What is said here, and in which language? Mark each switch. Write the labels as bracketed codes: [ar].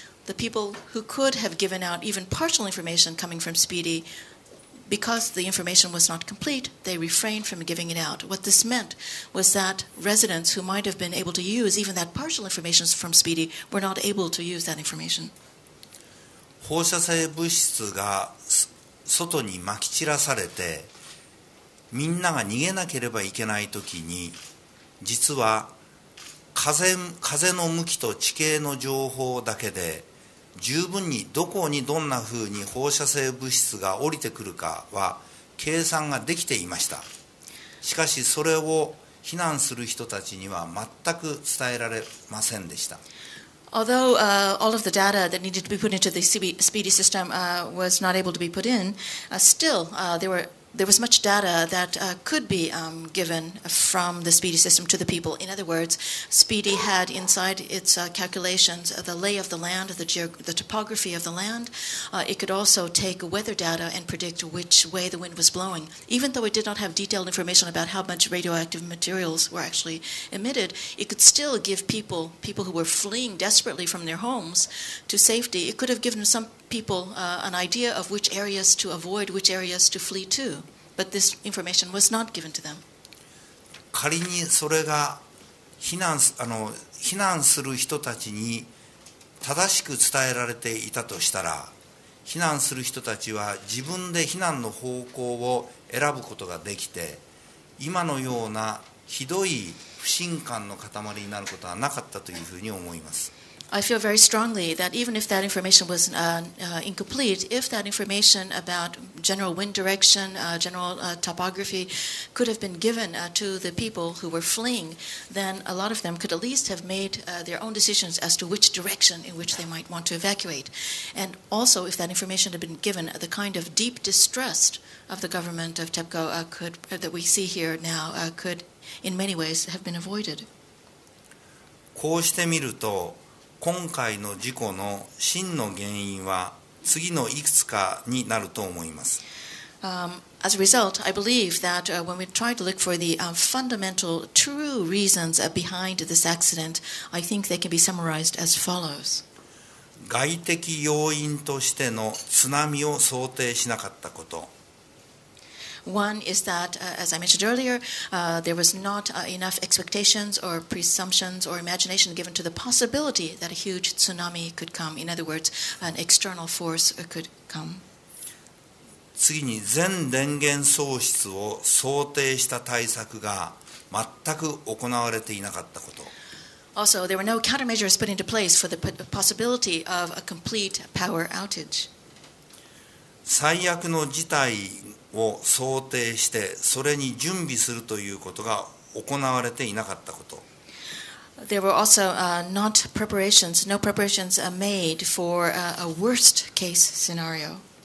[en] The people who could have given out even partial information coming from Speedy, because the information was not complete, they refrained from giving it out. What this meant was that residents who might have been able to use even that partial information from Speedy were not able to use that information. [ja] 放射性物質が外に撒き散らされて、みんなが逃げなければいけないときに、実は風の向きと地形の情報だけで、十分にどこにどんなふうに放射性物質が降りてくるかは計算ができていました。しかしそれを避難する人たちには全く伝えられませんでした。 [en] Although all of the data that needed to be put into the Speedy system was not able to be put in, still there was much data that could be given from the Speedy system to the people. In other words, Speedy had inside its calculations the lay of the land, the topography of the land. It could also take weather data and predict which way the wind was blowing. Even though it did not have detailed information about how much radioactive materials were actually emitted, it could still give people who were fleeing desperately from their homes to safety, it could have given somepeople an idea of which areas to avoid, which areas to flee to, but this information was not given to them. [ja] 仮にそれが避難する人たちに正しく伝えられていたとしたら、避難する人たちは自分で避難の方向を選ぶことができて、今のようなひどい不信感の塊になることはなかったというふうに思います。 [en] I feel very strongly that even if that information was incomplete, if that information about general wind direction, general topography could have been given to the people who were fleeing, then a lot of them could at least have made their own decisions as to which direction in which they might want to evacuate. And also, if that information had been given, the kind of deep distrust of the government of TEPCO that we see here now could in many ways have been avoided. [ja] こうしてみると、今回の事故の真の原因は次のいくつかになると思います。 [en] As a result, I believe that when we try to look for the fundamental true reasons behind this accident, I think they can be summarized as follows. [ja] 外的要因としての津波を想定しなかったこと。 [en] One is that, as I mentioned earlier, there was not enough expectations or presumptions or imagination given to the possibility that a huge tsunami could come. In other words, an external force could come. [ja] 次に全電源喪失を想定した対策が全く行われていなかったこと。 [en] Also, there were no countermeasures put into place for the possibility of a complete power outage. [ja] 最悪の事態を想定してそれに準備するということが行われていなかったこと。 [en] There were also no preparations made for a worst case scenario.